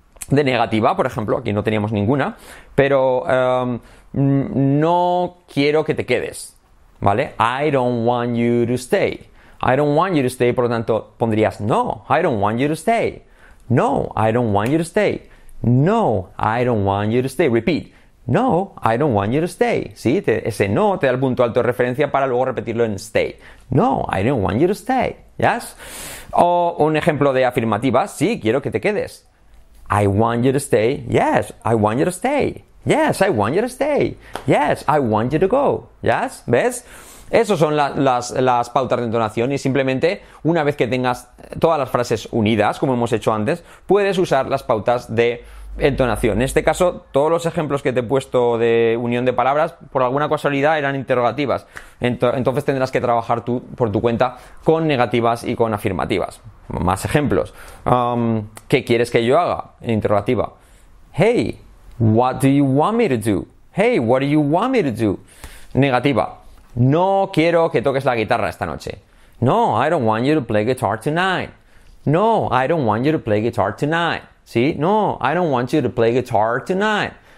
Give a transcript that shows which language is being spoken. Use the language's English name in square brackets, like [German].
[Spanish] de negativa, por ejemplo, aquí no teníamos ninguna, pero no quiero que te quedes, ¿vale? [English] I don't want you to stay. I don't want you to stay, [Spanish] por lo tanto, pondrías no, [English] I don't want you to stay. No, I don't want you to stay. No, I don't want you to stay. Repeat. No, I don't want you to stay. ¿Sí? [Spanish] Ese no te da el punto alto de referencia para luego repetirlo en stay. [English] No, I don't want you to stay. ¿Yes? [Spanish] O un ejemplo de afirmativa. Sí, quiero que te quedes. [English] I want you to stay. Yes, I want you to stay. Yes, I want you to stay. Yes, I want you to go. ¿Yes? ¿Ves? [Spanish] Esas son las pautas de entonación y simplemente una vez que tengas todas las frases unidas, como hemos hecho antes, puedes usar las pautas de entonación. En este caso, todos los ejemplos que te he puesto de unión de palabras, por alguna casualidad, eran interrogativas. Entonces tendrás que trabajar tú por tu cuenta con negativas y con afirmativas. Más ejemplos. ¿Qué quieres que yo haga? En interrogativa. [English] Hey, what do you want me to do? Hey, what do you want me to do? [Spanish] Negativa. No quiero que toques la guitarra esta noche. [English] No, I don't want you to play guitar tonight. No, I don't want you to play guitar tonight. ¿Sí? No, I don't want you to play guitar tonight.